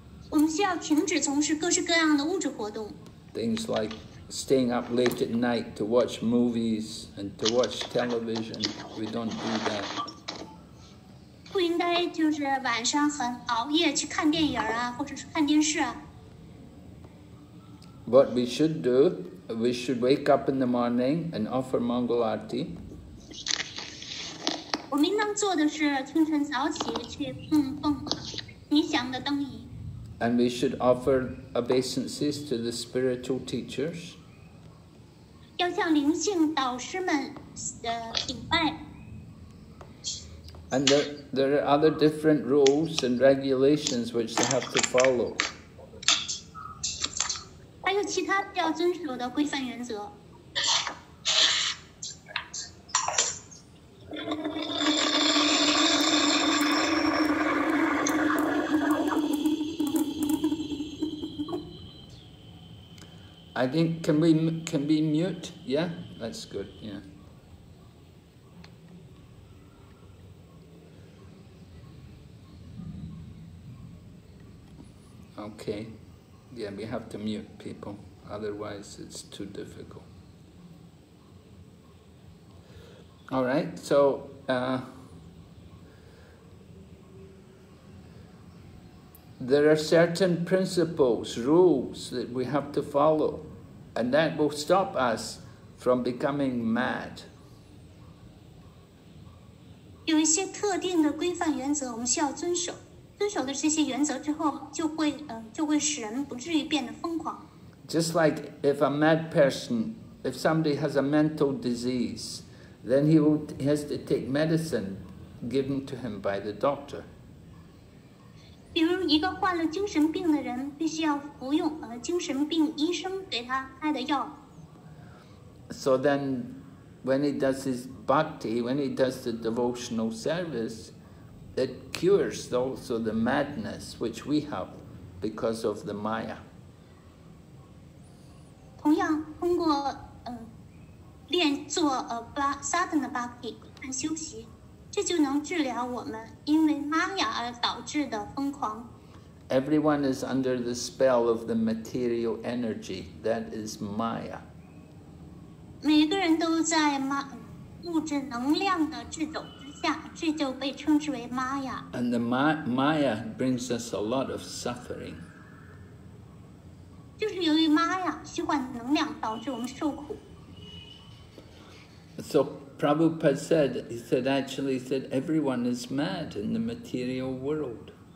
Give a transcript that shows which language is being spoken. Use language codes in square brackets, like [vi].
[zh] 我们需要停止从事各式各样的物质活动。 [en] Things like staying up late at night to watch movies and to watch television, we don't do that. [zh] 不应该就是晚上很熬夜去看电影啊，或者是看电视啊。 [en] What we should do, we should wake up in the morning and offer Mangal Arti. [zh] 我们应当做的是清晨早起去供奉吉祥的灯仪。 [en] And we should offer obeisances to the spiritual teachers. [zh] 要向灵性导师们礼拜。 [en] And there are other different rules and regulations which they have to follow. [zh] 还有其他要遵守的规范原则。 [en] I think, can we mute? Yeah, that's good, yeah. Okay, yeah, we have to mute people, otherwise it's too difficult. All right, so, there are certain principles, rules that we have to follow. And that will stop us from becoming mad. [zh] 有一些特定的规范原则我们需要遵守。遵守了这些原则之后就会使人不至于变得疯狂。 [en] Just like if a mad person, if somebody has a mental disease, then he has to take medicine given to him by the doctor. [zh] 比如一个患了精神病的人必须要服用精神病医生给他开的药。 [en] So then, when he does his bhakti, when he does the devotional service, it cures also the madness which we have because of the maya. [zh] 同样，通过练做sadhana bhakti 练修习，这就能治疗我们因为 maya 而导致的疯狂。 [en] Everyone is under the spell of the material energy, that is Maya. [zh] 每个人都在物质能量的制肘之下，这就被称之为 Maya. [en] And the Maya brings us a lot of suffering. [zh] 就是由于 Maya 虚幻能量导致我们受苦。 [en] So Prabhupada said, he said, actually, he said, everyone is mad in the material world.